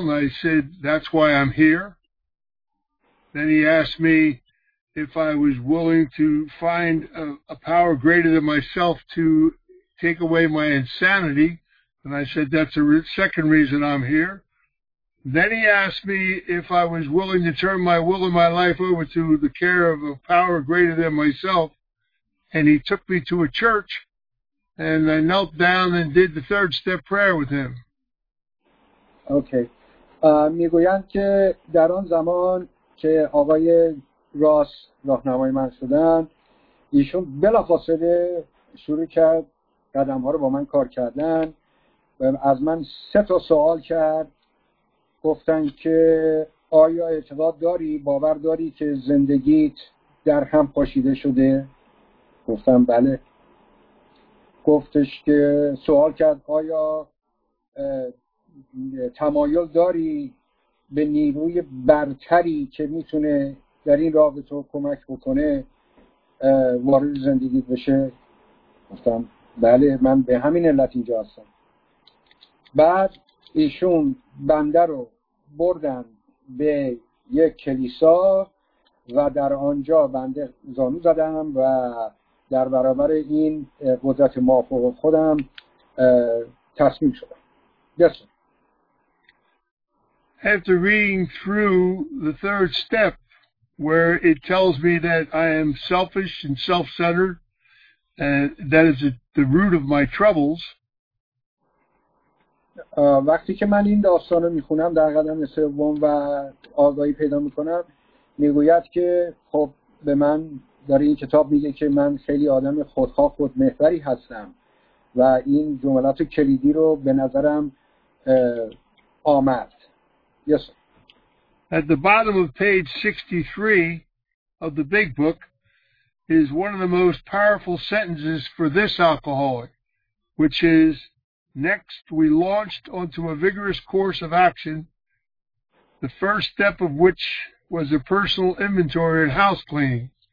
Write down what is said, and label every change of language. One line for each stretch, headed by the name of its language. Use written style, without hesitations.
English: And I said, that's why I'm here. Then he asked me if I was willing to find a power greater than myself to take away my insanity. And I said, that's the second reason I'm here. Then he asked me if I was willing to turn my will and my life over to the care of a power greater than myself. And he took me to a church, and I knelt down and did the third step prayer with him. Okay.
Persian: میگویند که در آن زمان که آقای راس راهنمای من شدند، ایشون بلافاصله شروع کرد قدم‌ها رو با من کار کردن. از من سه تا سوال کرد. گفتن که آیا اعتقاد داری، باور داری که زندگیت در هم پاشیده شده؟ گفتم بله. گفتش که سوال کرد آیا تمایل داری به نیروی برتری که میتونه در این رابطه کمک بکنه وارد زندگیت بشه؟ گفتم بله، من به همین علت اینجا هستم. بعد ایشون بنده رو بردن به یک کلیسا و در آنجا بنده زانو زدم و در برابر این قدرت مافوق خودم تسلیم شدم.
English: Yes, sir. After reading through the third step, where it tells me that I am selfish and self-centered, that is the root of my troubles.
Persian: وقتی که من این داستان رو میخونم در قدم سوم و آگاهی پیدا میکنم، میگوید که خب به من داره این کتاب میگه که من خیلی آدم خودخواه خودمحوری هستم و این جملات کلیدی رو به نظرم آمد.
English: Yes. At the bottom of page 63 of the big book is one of the most powerful sentences for this alcoholic, which is, next we launched onto a vigorous course of action, the first step of which was a personal inventory and house cleaning.